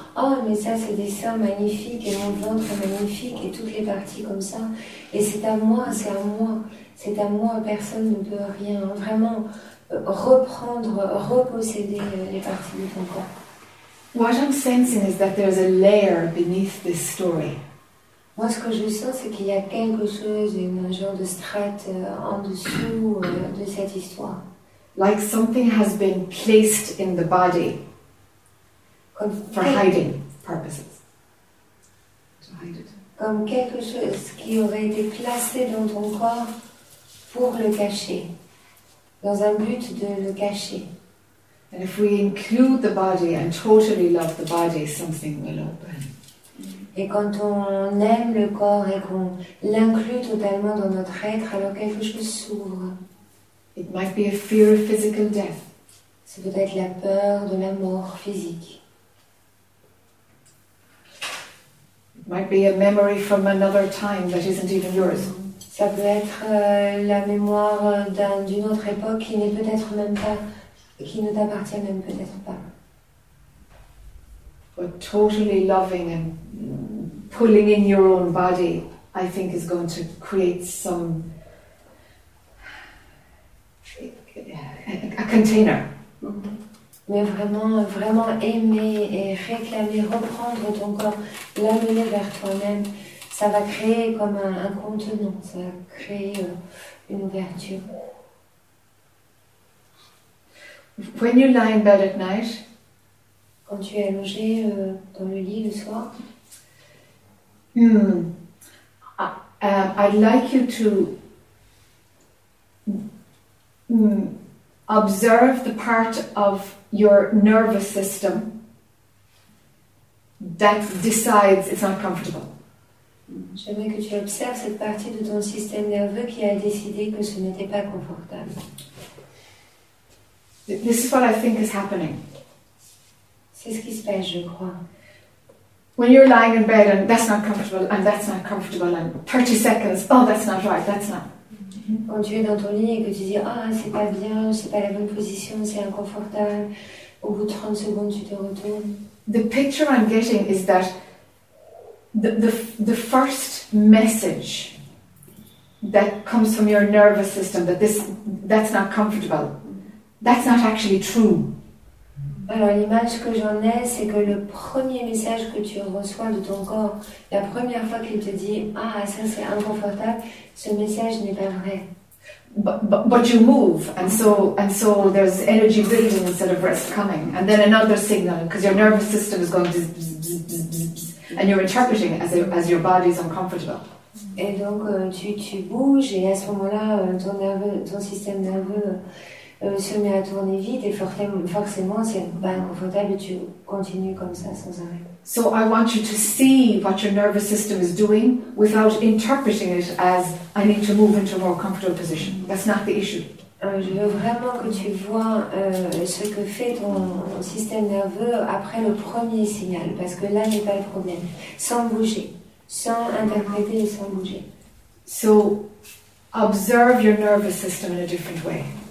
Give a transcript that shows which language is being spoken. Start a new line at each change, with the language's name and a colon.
French: Oh mais ça c'est des seins magnifiques et mon ventre magnifique et toutes les parties comme ça. Et c'est à moi, c'est à moi, c'est à moi. Personne ne peut rien vraiment reprendre, reposséder les parties de ton corps.
English: What I'm sensing is that there's a layer beneath this story.
French: Moi, ce que je sens, c'est qu'il y a quelque chose, un genre de strate en dessous de cette histoire.
English: Like something has been placed in the body for hiding purposes. To hide it.
French: Comme quelque chose qui aurait été placé dans ton corps pour le cacher, dans un but de le cacher.
English: And if we include the body and totally love the body, something will open.
French: Et quand on aime le corps et qu'on l'inclut totalement dans notre être, alors quelque chose s'ouvre.
English: It might be a fear of physical death.
French: C'est peut-être la peur de la mort physique.
English: It might be a memory from another time that isn't even yours.
French: Ça peut être la mémoire d'une autre époque qui n'est peut-être même pas, qui ne t'appartient même peut-être pas.
English: But totally loving and pulling in your own body, I think, is going to create some. A container.
French: Mais vraiment, vraiment aimer et réclamer, reprendre ton corps, l'amener vers toi-même, ça va créer comme un contenant, ça va créer une ouverture.
English: When you lie in bed at night,
French: quand tu es allongé dans le lit le soir,
English: I'd like you to observe the part of your nervous system that decides it's not comfortable.
French: J'aimerais que tu observes cette partie de ton système nerveux qui a décidé que ce n'était pas confortable.
English: This is what I think is happening.
French: C'est ce qui se passe, je crois.
English: When you're lying in bed and that's not comfortable and that's not comfortable and 30 seconds, oh, that's not right, that's not.
French: Quand tu es dans ton lit et que tu dis « Ah, c'est pas bien, c'est pas la bonne position, c'est inconfortable », au bout de 30 secondes, tu te retournes.
English: The picture I'm getting is that the first message that comes from your nervous system that this that's not comfortable, that's not actually true.
French: Alors l'image que j'en ai, c'est que le premier message que tu reçois de ton corps, la première fois qu'il te dit ah ça c'est inconfortable, ce message n'est pas vrai.
English: But you move, and so there's energy building instead of rest coming, and then another signal because your nervous system is going bzz, bzz, bzz, bzz, bzz, bzz, and you're interpreting it as your body is uncomfortable.
French: Et donc tu bouges et à ce moment-là ton système nerveux se met à tourner vite et forcément c'est pas confortable et tu continues comme ça sans arrêt.
English: So I want you to see what your nervous system is doing without interpreting it as I need to move into a more comfortable position. That's not the issue.
French: Je veux vraiment que tu vois ce que fait ton système nerveux après le premier signal, parce que là n'est pas le problème. Sans bouger, sans interpréter et sans bouger.
English: So observe your nervous system in a different way.